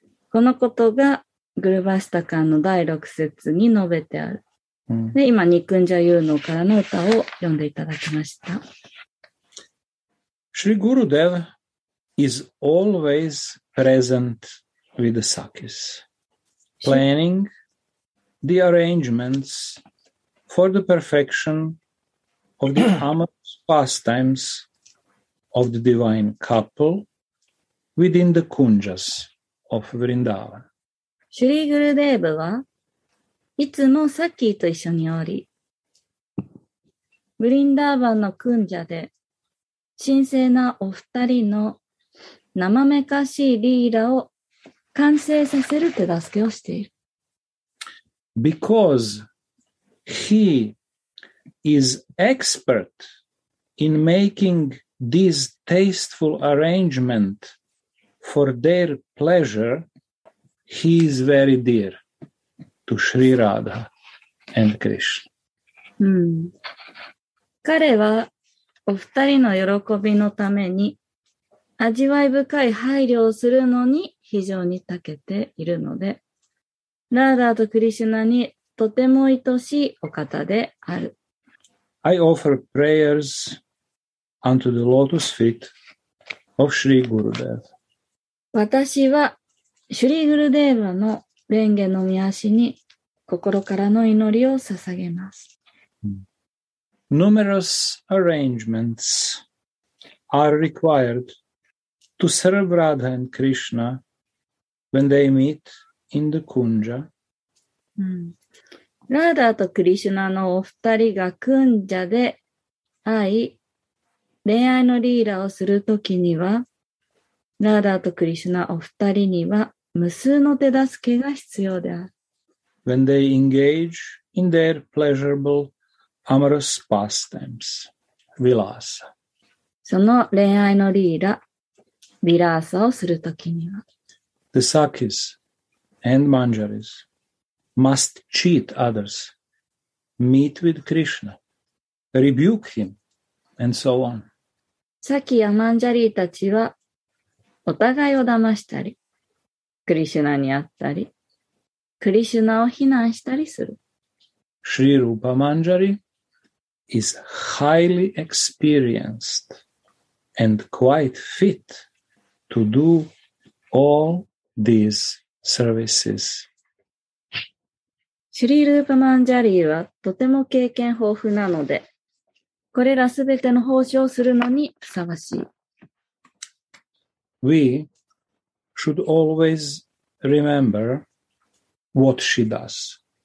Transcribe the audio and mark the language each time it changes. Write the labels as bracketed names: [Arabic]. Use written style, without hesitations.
[Japanese] このことがグルバシタカンの第6節に述べてある。で、今、ニクンジャユーノからの歌を読んでいただきました。 [English] Shri Gurudev is always present with the Sakis, planning the arrangements for the perfection of the amorous pastimes. Of the divine couple within the kunjas of Vrindavan. [Japanese] Shri Gurudev はいつもサッキーと一緒におり、ブリンダーバンのクンジャで神聖なお二人の生めかしいリーラを完成させる手助けをしている。 [English] Because he is expert in makingThis tasteful arrangement for their pleasure, he is very dear to Sri Radha and Krishna. [Japanese] 彼はお二人の喜びのために味わい深い配慮をするのに非常に長けているので、ラーダーとクリシュナにとても愛しいお方である。 [English] I offer prayers. Unto the lotus feet of Sri Gurudev. [Japanese] 私は、シュリ・グルデーヴァの蓮華の御足に心からの祈りを捧げます。 [English] Numerous arrangements are required to serve Radha and Krishna when they meet in the Kunja. [Japanese] ラーダーとクリシュナのお二人がクンジャで会い、恋愛のリーラをするときには、ラーダーとクリシュナお二人には無数の手助けが必要である。 [English] When they engage in their pleasurable amorous pastimes, vilasa. [Japanese] その恋愛のリーラ、ヴィラーサをするときには。 [English] The Sakis and Manjaris must cheat others, meet with Krishna, rebuke him, and so on. [Japanese] サキやマンジャリーたちはお互いを騙したり、クリシュナに会ったり、クリシュナを非難したりする。 [English] シリ・ルーパ・マンジャリ is highly experienced and quite fit to do all these services. [Japanese] シリ・ルーパ・マンジャリはとても経験豊富なので、これらすべての奉仕をするのにふさわしい。 [English] We should always remember what she does.